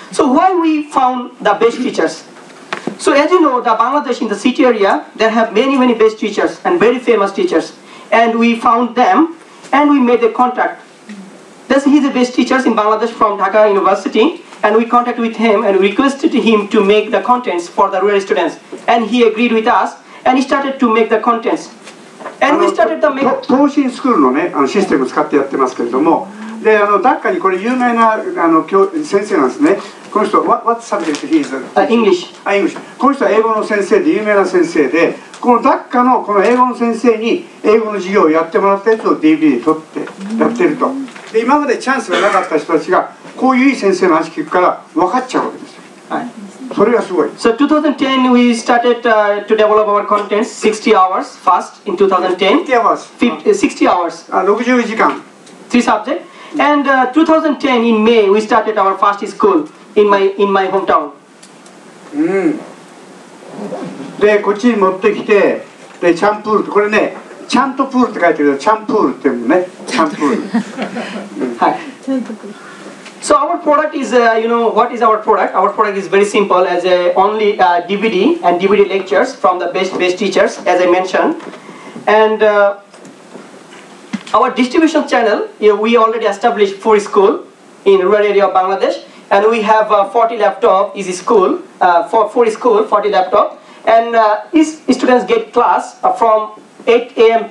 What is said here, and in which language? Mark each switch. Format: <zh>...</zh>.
<en>So why we found the best teachers? So as you know, the Bangladesh in the city area, they have many, many best teachers and very famous teachers. And we found them and we made a contact. This, he's the best teacher in Bangladesh from Dhaka University. And we contacted with him and requested him to make the contents for the rural students. And he agreed with us and he started to make the contents. And we started to make...</en> <ja>東進スクールのね、あのシステムを使ってやってますけれども、で、あのダッカにこれ有名なあの教先生なんですね。この人は</ja> <en>What subject he is? English. あ、English。</en> <ja>この人は英語の先生で有名な先生で、このダッカのこの英語の先生に英語の授業をやってもらったやつを DVD で撮ってやってると。で、今までチャンスがなかった人たちがこういういい先生の話聞くから分かっちゃうわけですよ。はい。それがすごい。</ja> <en>So 2010 we started、to develop our contents 60 hours first in 2010. 60 hours. 60 hours. 60時間。 Three subject. And 2010 in May we started our first school in my hometown.</en> <ja>うん。でこっちに持ってきてでチャンプールこれねちゃんとプールって書いてるけどチャンプールって言うのねチャンプール。はい。</ja> <en>So our product is you know what is our product? Our product is very simple as a only DVD and DVD lectures from the best teachers as I mentioned and. Our distribution channel, you know, we already established 4 schools in rural area of Bangladesh, and we have 40 laptop is school, 4 school, 40 laptop, and students get class from 8 a.m.</en>